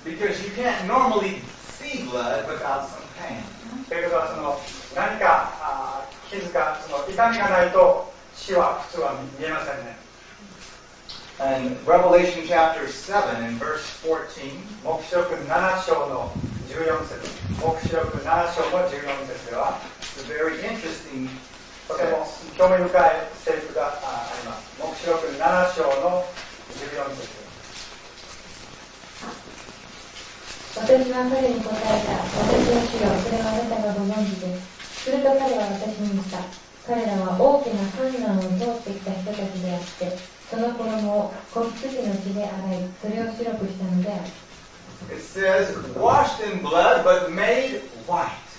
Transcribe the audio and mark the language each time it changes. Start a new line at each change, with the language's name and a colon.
English: Because you can't normally see blood without suffering.
Japanese: ということはその何か傷かその痛みがないと死は普通は見えませんね。
English: And Revelation chapter 7 in verse 14.
Japanese: 黙示録7章の14節。黙示録7章の14節では、
English: It's a very interesting
Japanese: とても興味深い聖句があります。黙示録7章の14節。私は彼に答えた。私の主よ、それはあなたがご存知です。すると彼は私に言った。彼らは大きな困難を通ってきた人たちであって、その衣を子羊の血で洗い、それを白くしたのである。
English: It says, washed in blood but made white.